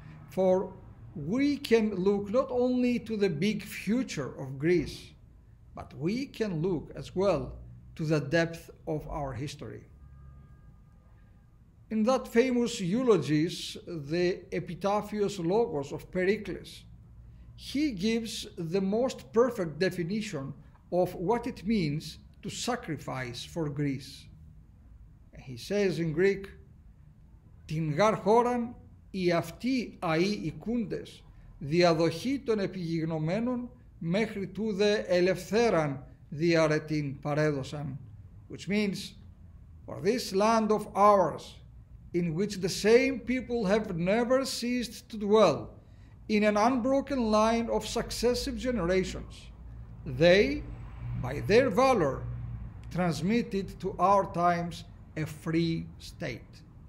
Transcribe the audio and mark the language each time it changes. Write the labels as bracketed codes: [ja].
[en] For we can look not only to the big future of Greece, but we can look as well to the depth of our history. In that famous eulogy, the Epitaphios Logos of Pericles, he gives the most perfect definition of what it means to sacrifice for Greece. He says in Greek, [el] «Την γαρ χώραν οι αυτοί αοί οικούντες, διαδοχή των επιγυγνωμένων μέχρι τούδε ελευθέραν διαρετήν παρέδωσαν». [en] Which means, «For this land of ours, in which the same people have never ceased to dwell, in an unbroken line of successive generations, they, by their valor, transmitted to our times a free state.